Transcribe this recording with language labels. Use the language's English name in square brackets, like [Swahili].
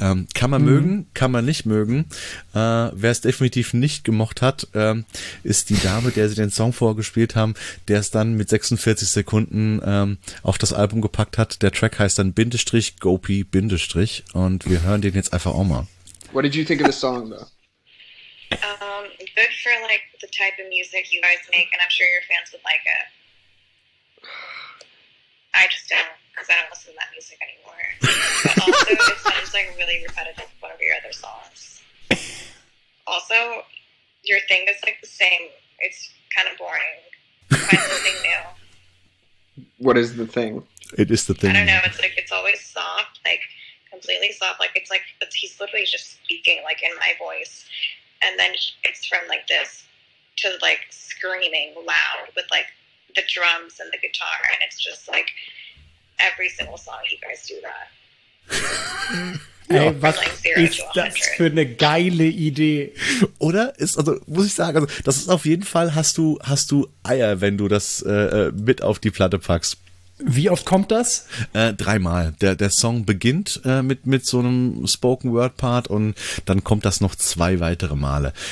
[German] Kann man mögen, kann man nicht mögen. Wer es definitiv nicht gemocht hat, ist die Dame, der sie den Song vorgespielt haben, der es dann mit 46 Sekunden auf das Album gepackt hat. Der Track heißt dann Bindestrich Gopi Bindestrich und wir hören den jetzt einfach auch mal. [English] What did you think of the song though? Good for like the type of music you guys make, and I'm sure your fans would like it. I just don't, because I don't listen to that music anymore. But also, it sounds like really repetitive one of your other songs. Also, your thing is like the same. It's kind of boring. Find something new. What is the thing? It is the thing. I don't know. It's like it's always soft, like completely soft. Like it's like he's literally just speaking like in my voice. And then it's from like this to like screaming loud with like the drums and the guitar. And it's just like every single song you guys do that. [German] Ey, was ist das für eine geile Idee? Oder? Muss ich sagen, also das ist auf jeden Fall, hast du Eier, wenn du das mit auf die Platte packst. Wie oft kommt das? Dreimal. Der Song beginnt mit so einem Spoken-Word-Part und dann kommt das noch zwei weitere Male.